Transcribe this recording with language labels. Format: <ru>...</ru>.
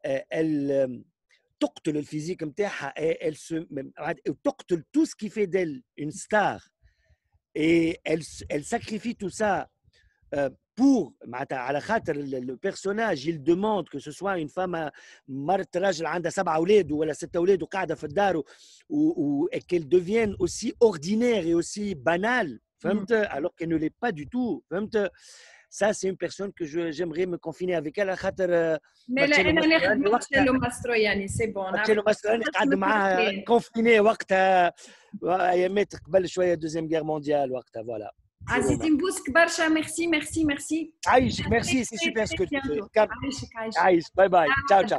<fr>elle</fr> <ar>تقتل الفيزيك متاعها</ar> <fr>elle se</fr> <ar>تقتل</ar> <fr>tout ce qui fait d'elle une star et elle sacrifie tout ça pour</fr> <ar>على خاطر</ar> <fr>le personnage il demande que ce soit une femme</fr> <ar>مرت راجل عندها 7 اولاد ولا 6 اولاد وقاعده في الدار</ar> <fr>ou et qu'elle devienne aussi ordinaire et aussi banale</fr> <ar>فهمت</ar> <fr>alors qu'elle ne l'est pas du tout فهمت ça c'est une personne que j'aimerais me confiner avec elle à</fr> <ar>خاطر</ar> <fr>Marcello Mastroianni c'est bon</fr> <ar>Marcello Mastroianni قاعد معاها</ar> <fr>confiné</fr> <ar>وقتها ايامات قبل شويه</ar> <fr>deuxième guerre mondiale</fr> <ar>وقتها</ar> <fr>voilà</fr> <ar>عزيزي مبوسك برشا</ar> <fr>merci</fr> <ar>عايش</ar> <fr>merci c'est super ce que tu fais</fr> <ar>عايش باي باي تشاو تشاو</ar>